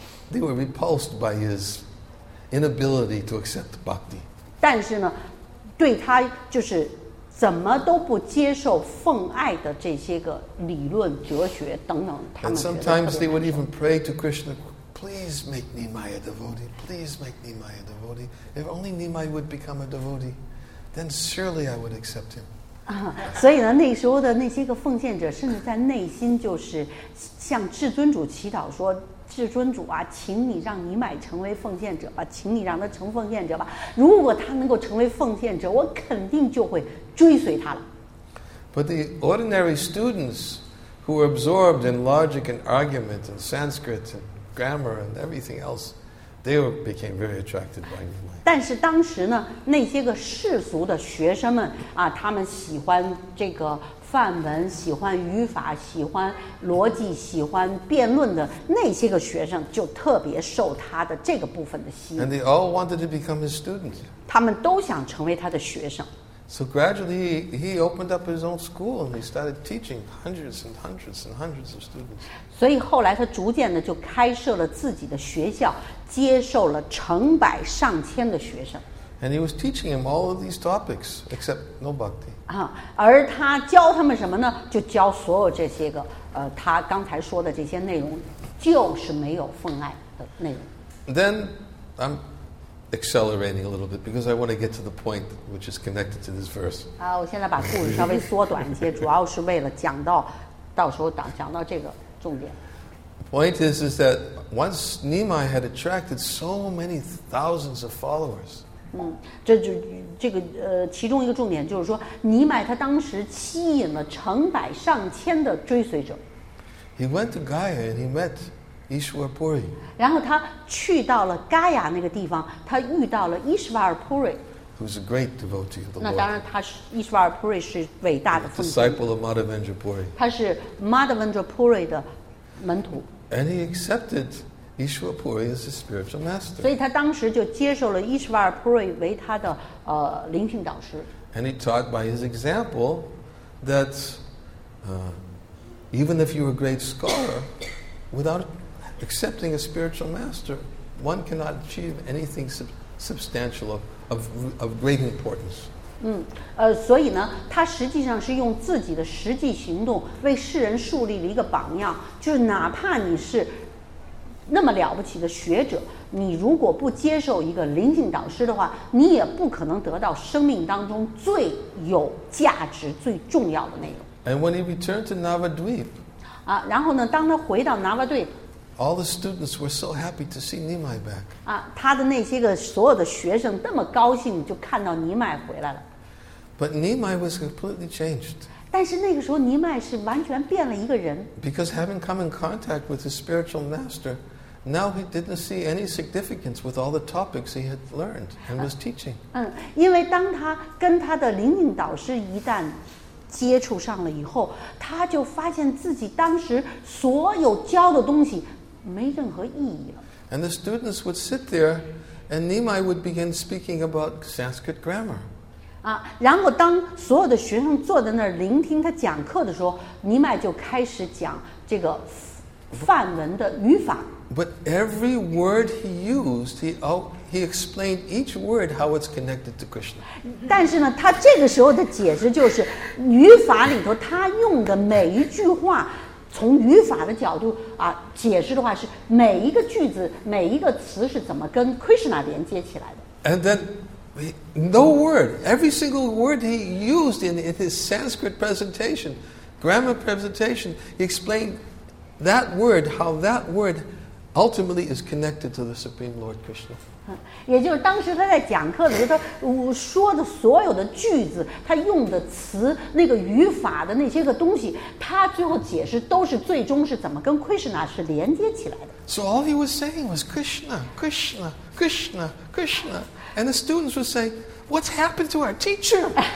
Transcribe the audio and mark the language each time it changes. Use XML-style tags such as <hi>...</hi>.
<en>They were repulsed by his inability to accept bhakti.</en> <zh>但是呢，对他就是怎么都不接受奉爱的这些个理论、哲学等等，他们觉得。</zh> <en>And sometimes they would even pray to Krishna, "Please make Nimai a devotee. Please make Nimai a devotee. If only Nimai would become a devotee, then surely I would accept him."</en> <zh>所以呢，那时候的那些个奉献者，甚至在内心就是向至尊主祈祷说。至尊主啊，请你让尼麦成为奉献者吧，请你让他成奉献者吧。如果他能够成为奉献者，我肯定就会追随他了。</zh> <en>But the ordinary students who were absorbed in logic and argument and Sanskrit and grammar and everything else, they became very attracted by Nimai.</en> <zh>但是当时呢，那些个世俗的学生们啊，他们喜欢这个。范文喜欢语法，喜欢逻辑，喜欢辩论的那些个学生，就特别受他的这个部分的吸引。</zh> <en>And they all wanted to become his students.</en> <zh>他们都想成为他的学生。</zh> <en>So gradually he opened up his own school and he started teaching hundreds and hundreds and hundreds of students.</en> <zh>所以后来他逐渐的就开设了自己的学校，接受了成百上千的学生。</zh> <en>And he was teaching him all of these topics except no bhakti.</en> <zh>啊，而他教他们什么呢？就教所有这些个，他刚才说的这些内容，就是没有奉爱的内容。</zh> <en>then I'm accelerating a little bit because I want to get to the point which is connected to this verse.</en> <zh>啊，我现在把故事稍微缩短一些，主要是为了讲到，到时候讲到这个重点。</zh> <en>Point is that once Nehemiah had attracted so many thousands of followers.</en> <zh>嗯，这个其中一个重点就是说，尼麦他当时吸引了成百上千的追随者。</zh> <en>He went to Gaia and he met Ishvarpuri.</en> <zh>然后他去到了盖亚那个地方，他遇到了伊什瓦尔普瑞。</zh> <en>Who's a great devotee of the Lord?</en> <zh>那当然，他是伊什瓦尔普瑞是伟大的奉行。</zh> <en>Disciple of Madhavendrapuri.</en> <zh>他是 Madhavendrapuri 的。</zh> <en>And he accepted Ishvarpuri as his spiritual master.</en> <zh>所以他当时就接受了 Ishvarpuri 为他的灵性导师。</zh> <en>And he taught by his example that even if you are a great scholar, without accepting a spiritual master, one cannot achieve anything substantial of great importance.</en> <zh>嗯，所以呢，他实际上是用自己的实际行动为世人树立了一个榜样，就是哪怕你是那么了不起的学者，你如果不接受一个灵性导师的话，你也不可能得到生命当中最有价值、最重要的内容。</zh> <en>And when he returned to Navadvip,</en> <zh>啊，然后呢，当他回到 Navadvip,</zh> <en>all the students were so happy to see Nehemiah back.</en> <zh>啊，他的那些个所有的学生那么高兴就看到尼麦回来了。</zh> <en>But Nehemiah was completely changed.</en> <zh>但是那个时候尼麦是完全变了一个人。</zh> <en>Because having come in contact with his spiritual master, now he didn't see any significance with all the topics he had learned and was teaching.</en> <zh>嗯，因为当他跟他的灵性导师一旦接触上了以后，他就发现自己当时所有教的东西没任何意义了。</zh> <en>And the students would sit there, and Nehemiah would begin speaking about Sanskrit grammar.</en> <zh>啊，然后当所有的学生坐在那儿聆听他讲课的时候，尼麦就开始讲这个梵文的语法。</zh> <en>But every word he used, he explained each word how it's connected to Krishna.</en> <zh>但是呢，他这个时候的解释就是语法里头他用的每一句话，从语法的角度啊解释的话，是每一个句子每一个词是怎么跟 Krishna 连接起来的。</zh> <en>And then, no word. Every single word he used in his Sanskrit presentation, grammar presentation, he explained that word how that word ultimately is connected to the Supreme Lord Krishna.</en> <zh>也就是当时他在讲课里头说的所有的句子，他用的词，那个语法的那些个东西，他最后解释都是最终是怎么跟 Krishna 是连接起来的。</zh> <en>So all he was saying was Krishna, Krishna, Krishna, Krishna, and the students would say, "What's happened to our teacher?"</en>